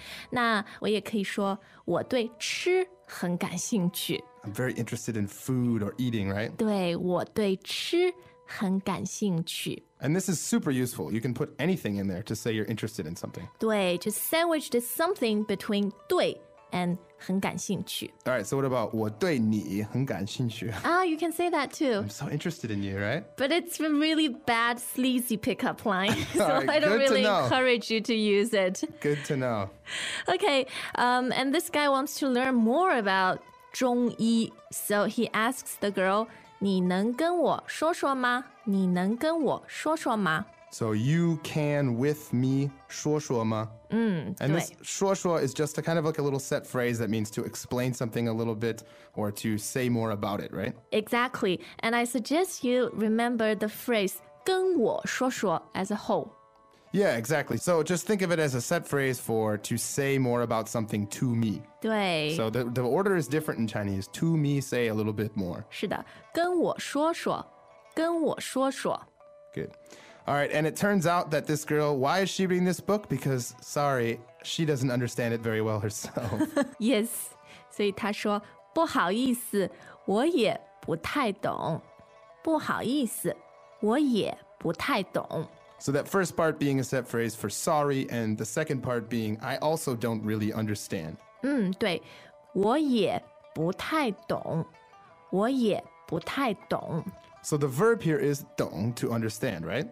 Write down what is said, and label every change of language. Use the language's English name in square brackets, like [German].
[Chinese] 那我也可以说, 我对吃很感兴趣. [English] I'm very interested in food or eating, right? [Chinese] 对,我对吃很感兴趣. [English] And this is super useful. You can put anything in there to say you're interested in something. [Chinese] 对, [English] just sandwich this something between 对 and [Chinese] 很感兴趣. [English] All right, so what about [Chinese] 我对你很感兴趣? [English] Ah, you can say that too. I'm so interested in you, right? But it's a really bad, sleazy pickup line. So right, I don't really encourage you to use it. Good to know. Okay, and this guy wants to learn more about 中医, so he asks the girl, [Chinese] 你能跟我说说吗? 你能跟我说说吗? [English] So you can with me [Chinese] 说说吗? [English] And this [Chinese] 说说 [English] is just a kind of like a little set phrase that means to explain something a little bit or to say more about it, right? Exactly. And I suggest you remember the phrase [Chinese] 跟我说说 [English] as a whole. Yeah, exactly. So just think of it as a set phrase for to say more about something to me. [Chinese] 对. [English] So the order is different in Chinese. To me, say a little bit more. [Chinese] 是的, 跟我说说, 跟我说说. [English] Good. All right, and it turns out that this girl, why is she reading this book? Because, sorry, she doesn't understand it very well herself. Yes. [Chinese] 所以她说, 不好意思, 我也不太懂. 不好意思, 我也不太懂. [English] So that first part being a set phrase for sorry, and the second part being, I also don't really understand. [Chinese] 对, 我也不太懂, 我也不太懂. [English] So the verb here is [Chinese] 懂, [English] to understand, right?